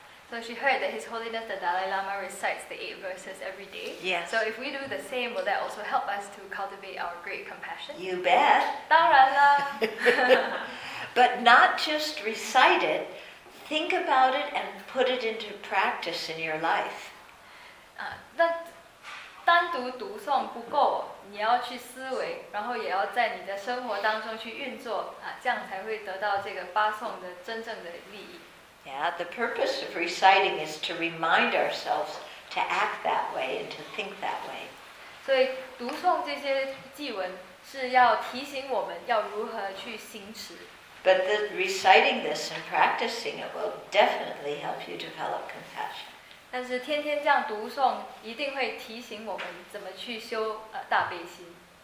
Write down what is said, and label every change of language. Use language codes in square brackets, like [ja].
[en] So she heard that His Holiness the Dalai Lama recites the 8 verses every day. Yes. So if we do the same, will that also help us to cultivate our great compassion? You bet. [zh] 当然了。 [en] But not just recite it, think about it and put it into practice in your life. [zh] 那单独读诵不够，你要去思维，然后也要在你的生活当中去运作，这样才会得到这个八诵的真正的利益。 [en] Yeah, the purpose of reciting is to remind ourselves to act that way and to think that way. [zh] 所以读诵这些偈文是要提醒我们要如何去行持。 [en] But the reciting this and practicing it will definitely help you develop compassion. [zh] 但是天天这样读诵一定会提醒我们怎么去修大悲心。